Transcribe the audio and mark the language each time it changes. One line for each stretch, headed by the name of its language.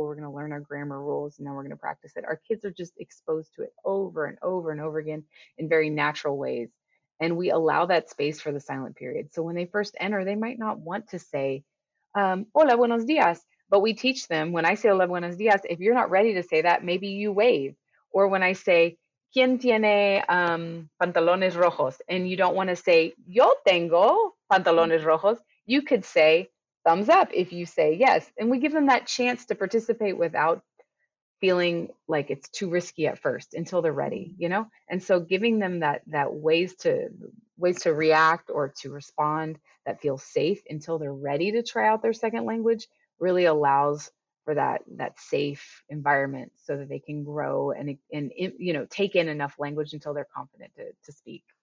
English: We're going to learn our grammar rules and then we're going to practice it. Our kids are just exposed to it over and over and over again in very natural ways. And we allow that space for the silent period. So when they first enter, they might not want to say,
Spanish: hola, buenos dias.
English: But we teach them, when I say
Spanish: hola, buenos dias,
English: if you're not ready to say that, maybe you wave. Or when I say,
Spanish: ¿quién tiene pantalones rojos?
English: And you don't want to say,
Spanish: yo tengo pantalones rojos.
English: You could say thumbs up if you say yes. And we give them that chance to participate without feeling like it's too risky at first until they're ready, you know? And so giving them that ways to react or to respond that feels safe until they're ready to try out their second language really allows for that safe environment so that they can grow and you know, take in enough language until they're confident to speak.